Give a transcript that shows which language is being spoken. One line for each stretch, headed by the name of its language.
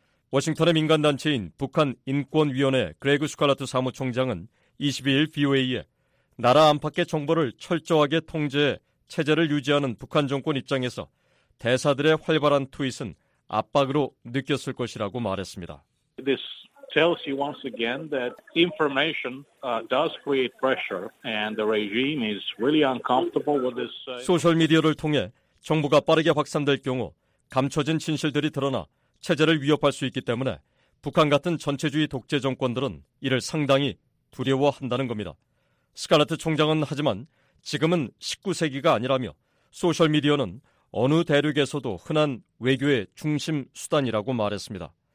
Korean: 워싱턴의 민간단체인 북한인권위원회 그레그 스칼라트 사무총장은 22일 VOA에 나라 안팎의 정보를 철저하게 통제해 체제를 유지하는 북한 정권 입장에서 대사들의 활발한 트윗은 압박으로 느꼈을 것이라고 말했습니다.
English: This tells you once again that information does create pressure and the regime is really uncomfortable with this.
Korean: 소셜미디어를 통해 정보가 빠르게 확산될 경우 감춰진 진실들이 드러나 체제를 위협할 수 있기 때문에 북한 같은 전체주의 독재 정권들은 이를 상당히 두려워한다는 겁니다. 스칼라트 총장은 하지만 지금은 19세기가 아니라며 소셜미디어는 어느 대륙에서도 흔한 외교의 중심 수단이라고 말했습니다.